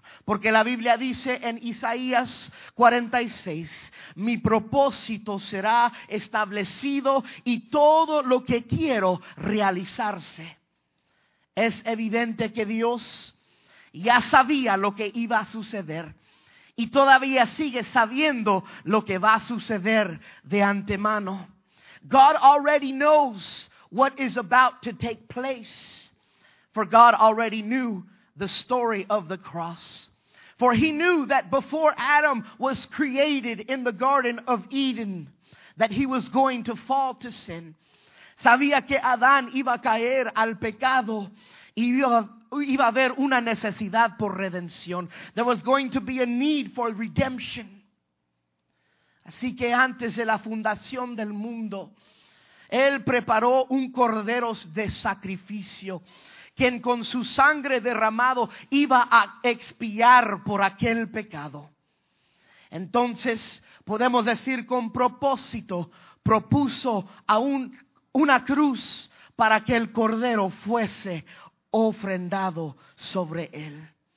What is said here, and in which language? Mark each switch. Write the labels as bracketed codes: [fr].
[es] Porque la Biblia dice en Isaías 46, mi propósito será establecido y todo lo que quiero realizarse. Es evidente que Dios ya sabía lo que iba a suceder. Y todavía sigue sabiendo lo que va a suceder de antemano. [en] God already knows what is about to take place. For God already knew the story of the cross. For He knew that before Adam was created in the Garden of Eden, that he was going to fall to sin. [es] Sabía que Adán iba a caer al pecado y iba a haber una necesidad por redención. [en] There was going to be a need for redemption. [es] Así que antes de la fundación del mundo, Él preparó un cordero de sacrificio, quien con su sangre derramado iba a expiar por aquel pecado. Entonces, podemos decir con propósito, propuso a una cruz para que el cordero fuese ofrendado sobre Él.